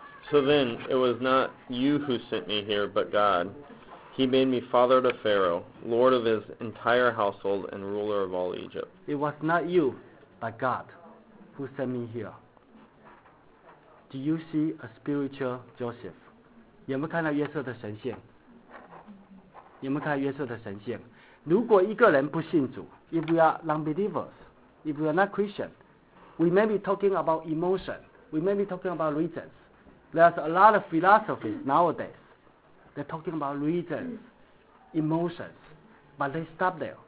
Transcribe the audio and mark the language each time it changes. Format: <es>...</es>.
<en>So then, it was not you who sent me here, but God. He made me father to Pharaoh, lord of his entire household, and ruler of all Egypt. It was not you, but God, who sent me here. Do you see a spiritual Joseph?</en> <zh>有没有看到约瑟的神现？有没有看到约瑟的神现？如果一个人不信主</zh> <en>，if we are non-believers, if we are not Christian, we may be talking about emotion, we may be talking about reasons. There's a lot of philosophies nowadays. They're talking about reasons, emotions, but they stop there.</en>